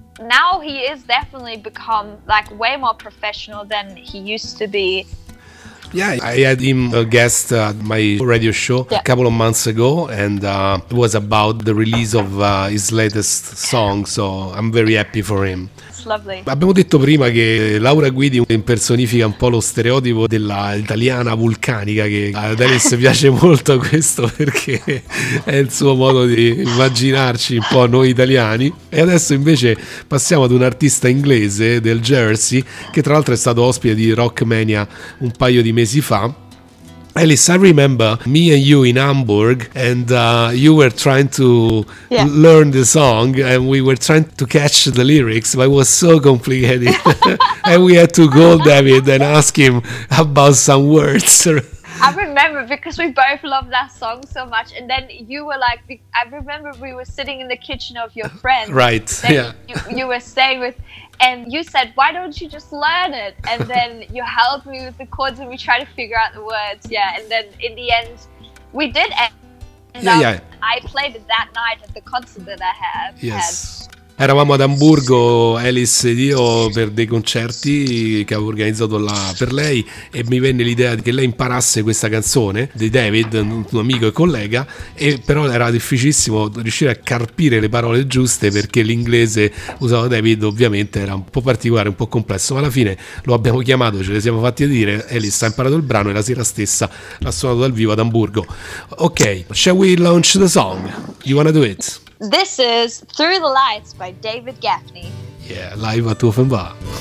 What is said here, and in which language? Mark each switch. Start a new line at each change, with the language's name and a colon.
English: Now he is definitely become, like, way more professional than he used to be. Yeah, I had him a guest at my radio show a couple of months ago, and it was about the release of his latest song, so I'm very happy for him. Lovely.
Italian: Abbiamo detto prima che Laura Guidi impersonifica un po' lo stereotipo dell'italiana vulcanica, che a Dennis piace molto questo perché è il suo modo di immaginarci un po' noi italiani. E adesso invece passiamo ad un artista inglese del Jersey, che tra l'altro è stato ospite di Rockmania un paio di mesi fa.
English: Alice, I remember me and you in Hamburg, and you were trying to learn the song, and we were trying to catch the lyrics, but it was so complicated. And we had to call David and ask him about some words. I remember, because we both love that song so much, and then you were like, I remember we were sitting in the kitchen of your friend. Right, yeah. You were staying with... And you said, why don't you just learn it? And then you helped me with the chords and we tried to figure out the words. Yeah, and then in the end, we did end up. I played it that night at the concert that I have. Yes.
Italian: Eravamo ad Amburgo, Alice ed io, per dei concerti che avevo organizzato là per lei, e mi venne l'idea che lei imparasse questa canzone di David, un amico e collega, e però era difficilissimo riuscire a carpire le parole giuste, perché l'inglese usato da David ovviamente era un po' particolare, un po' complesso, ma alla fine lo abbiamo chiamato, ce le siamo fatti dire, Alice ha imparato il brano e la sera stessa l'ha suonato dal vivo ad Amburgo.
English: Ok, shall we launch the song? You wanna do it? This is Through the Lights by David Gaffney. Yeah, live at Offenbach.